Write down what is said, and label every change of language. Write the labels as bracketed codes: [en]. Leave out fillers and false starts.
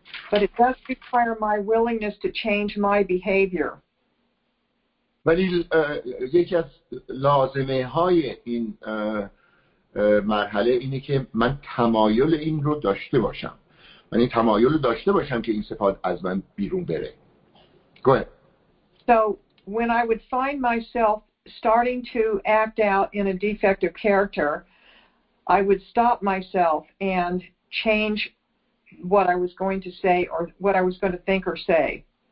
[en] But it does require my willingness to change my behavior. [fa] ولی یکی از لازمه های این مرحله اینه که من تمایل این رو داشته باشم، من این تمایل رو داشته باشم که این صفات از من بیرون بره. [en] Go ahead. So when I would find myself starting to act out in a defective character, I would stop myself and change what I was going to say or what I was going to think or say.